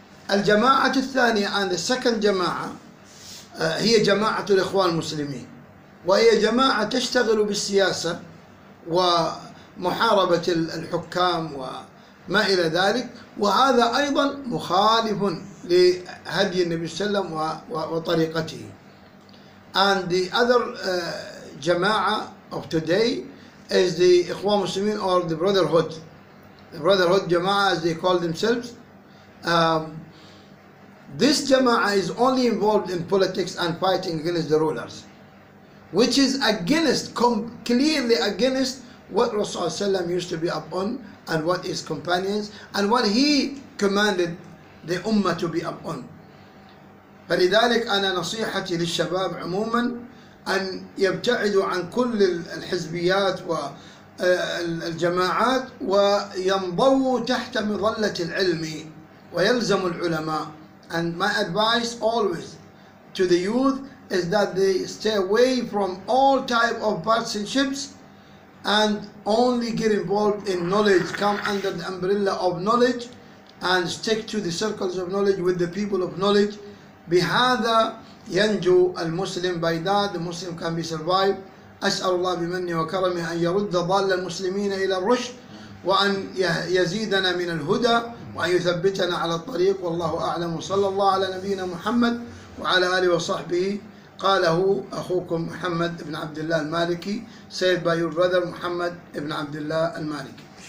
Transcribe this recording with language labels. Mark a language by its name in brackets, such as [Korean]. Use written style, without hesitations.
[Arabic] والجماعة الثانية [English] and the second [Arabic] جماعة هي جماعة الإخوان المسلمين، وهي جماعة تشتغل بالسياسة ومحاربة الحكام وما إلى ذلك، وهذا أيضا مخالف لهدي النبي صلى الله عليه وسلم وطريقته. [English] And the other جماعة of today is the إخوان المسلمين or the Brotherhood. The Brotherhood جماعة as they call themselves. This جماعة is only involved in politics and fighting against the rulers, which is against, clearly against what Rasulullah used to be upon and what his companions and what he commanded the ummah to be upon. [Arabic] فلذلك أنا نصيحتي للشباب عموما أن يبتعدوا عن كل الحزبيات والجماعات وينضووا تحت مظلة العلم ويلزموا العلماء. [English] And my advice always to the youth is that they stay away from all type of partisanships and only get involved in knowledge, come under the umbrella of knowledge and stick to the circles of knowledge with the people of knowledge. [Arabic] بهذا ينجو المسلم, [English] by that the Muslim can be survived. [Arabic] أسأل الله بمنه وكرمه أن يرد ضال المسلمين إلى الرشد وأن يزيدنا من الهدى وأن يثبتنا على الطريق, والله أعلم. صلى الله على نبينا محمد وعلى آله وصحبه. قاله أخوكم محمد بن عبد الله المالكي, [English] said by your brother [Arabic] محمد بن عبد الله المالكي.